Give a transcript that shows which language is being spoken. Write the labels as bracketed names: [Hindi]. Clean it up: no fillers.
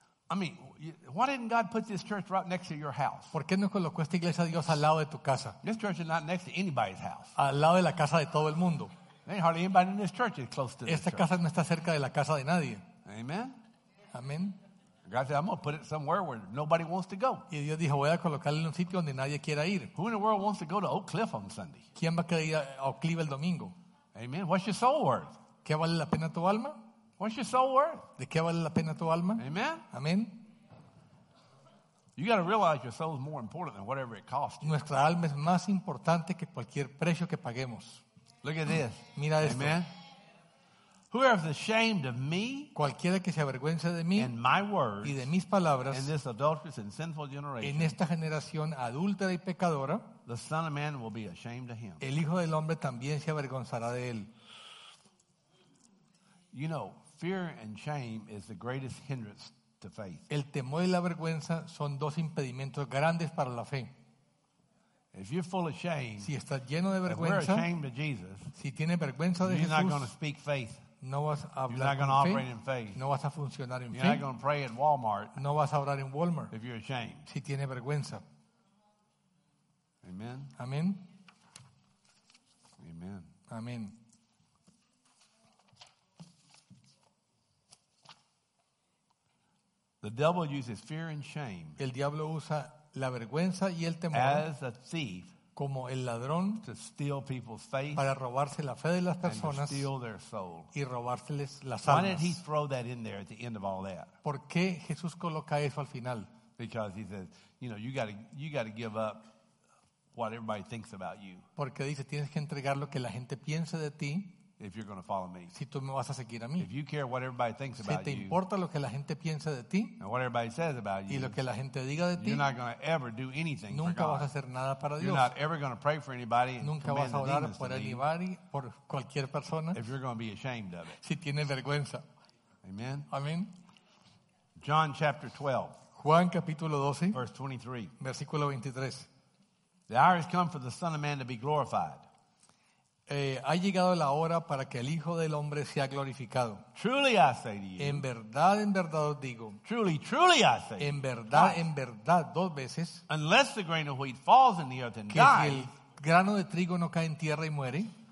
[English] I mean, why didn't God put this church right next to your house? [Spanish] ¿Por qué no colocó esta iglesia de Dios al lado de tu casa? [English] This church is not next to anybody's house. [Spanish] Al lado de la casa de todo el mundo. [English] Ain't hardly anybody in this church is close to this. [Spanish] Esta casa no está cerca de la casa de nadie. [English] Amen. [Spanish] Amen. [English] God said, I'm going to put it somewhere where nobody wants to go. [Spanish] Y Dios dijo, voy a colocarlo en un sitio donde nadie quiera ir. [English] Who in the world wants to go to Oak Cliff on Sunday? [Spanish] ¿Quién va a querer ir a Oak Cliff el domingo? [English] Amen. What's your soul worth? [Spanish] ¿Qué vale la pena tu alma? [English] What's your soul worth? [Spanish] ¿De qué vale la pena tu alma? [English] Amen. [Spanish] Amen. [English] You got to realize your soul is more important than whatever it costs. [Spanish] Nuestra alma es más importante que cualquier precio que paguemos. [English] Look at this. [Spanish] Mira esto. [English] Amen. Whoever is ashamed of me, [Spanish] cualquiera que se avergüence de mí, [English] and my words, [Spanish] y de mis palabras, [English] in this adulterous and sinful generation, [Spanish] en esta generación adúltera y pecadora, [English] the Son of Man will be ashamed of him. [Spanish] El Hijo del Hombre también se avergonzará de él. [English] You know, fear and shame is the greatest hindrance. [Spanish] El temor y la vergüenza son dos impedimentos grandes para la fe. [English] If you're full of shame, [Spanish] si estás lleno de vergüenza, [English] if we're ashamed of Jesus, [Spanish] si tienes vergüenza de [English] you're [Spanish] Jesús, [English] not going to speak faith. [Spanish] No vas a hablar [English] you're not [Spanish] con [English] operate [Spanish] fe, [English] in faith. [Spanish] No vas a funcionar en [English] you're [Spanish] fe. [English] Not going to pray at Walmart, [Spanish] no vas a orar en Walmart [English] if you're ashamed. [Spanish] Si tienes vergüenza. [English] Amen. [Spanish] Amén. [English] Amen. [Spanish] Amén. [English] The devil uses fear and shame. [Spanish] El diablo usa la vergüenza y el temor [English] as a thief [Spanish] como el ladrón [English] to steal people's faith [Spanish] para robarse la fe de las personas [English] and to steal their soul. [Spanish] Y robárseles las almas. [English] Why did he throw that in there at the end of all that? [Spanish] ¿Por qué Jesús coloca eso al final? [English] Because he says, you know, you got to give up what everybody thinks about you. [Spanish] Porque dice, tienes que entregar lo que la gente piense de ti. [English] If you're going to follow me. [Spanish] Si tú me vas a seguir a mí. [English] If you care what everybody thinks about [Spanish] you. Si te importa lo que la gente piensa de ti. [English] And what everybody says about you. [Spanish] Y lo que la gente diga de ti. [English] You're not going to ever do anything for God. [Spanish] Nunca vas a hacer nada para Dios. [English] You're not ever going to pray for anybody. [Spanish] Nunca vas a orar por anybody, por cualquier persona. [English] If you're going to be ashamed of it. [Spanish] Si tienes vergüenza. [English] Amen. [Spanish] Amen. [English] John chapter 12. [Spanish] Juan capítulo 12. [English] Verse 23. [Spanish] Versículo 23. [English] The hour has come for the Son of Man to be glorified. [Spanish] Ha llegado la hora para que el Hijo del Hombre sea glorificado. [English] Truly I say to you. [Spanish] En verdad os digo. [English] Truly, truly I say. [Spanish] En verdad, dos veces. [English] Unless the grain of wheat falls in the earth and [Spanish] que [English] dies. [Spanish] Que si el grano de trigo no cae en tierra y muere.